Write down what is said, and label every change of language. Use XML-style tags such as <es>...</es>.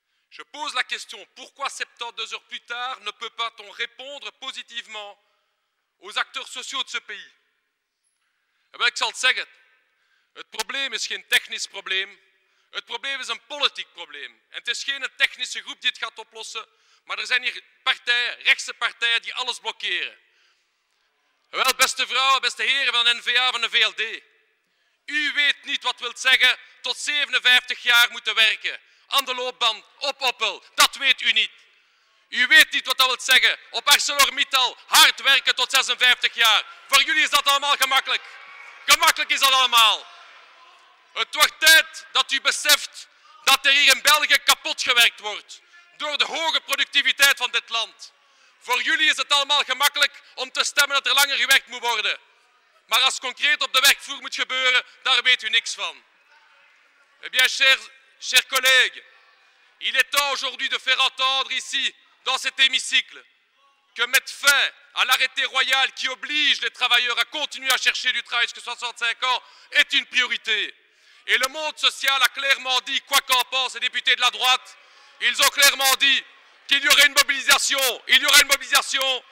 <fr>Je pose la question, pourquoi 72 heures plus tard ne peut-on répondre positivement aux acteurs sociaux de ce pays? Eh bien, c'est ça. Le problème, c'est un technique problème. Le problème, c'est un politique problème. Et c'est pas un technique groupe qui va oplossen.</fr> <nl>Maar er zijn hier partijen, rechtse partijen, die alles blokkeren. Wel, beste vrouwen, beste heren van de N-VA, van de VLD. U weet niet wat wil zeggen tot 57 jaar moeten werken. Aan de loopbaan, op Opel, dat weet u niet. U weet niet wat dat wil zeggen. Op ArcelorMittal, hard werken tot 56 jaar. Voor jullie is dat allemaal gemakkelijk. Gemakkelijk is dat allemaal. Het wordt tijd dat u beseft dat er hier in België kapot gewerkt wordt. Door de hoge productiviteit van dit land. Voor jullie is het allemaal gemakkelijk om te stemmen dat er langer gewerkt moet worden. Maar als het concreet op de werkvloer moet gebeuren, daar weet u niks van.</nl> <fr>Eh bien, chers collègues, il est temps aujourd'hui de faire entendre ici, dans cet hémicycle, que mettre fin à l'arrêté royal qui oblige les travailleurs à continuer à chercher du travail jusqu'à 65 ans est une priorité. Et le monde social a clairement dit, quoi qu'en pensent les députés de la droite, ils ont clairement dit qu'il y aurait une mobilisation. Il y aurait une mobilisation.</fr>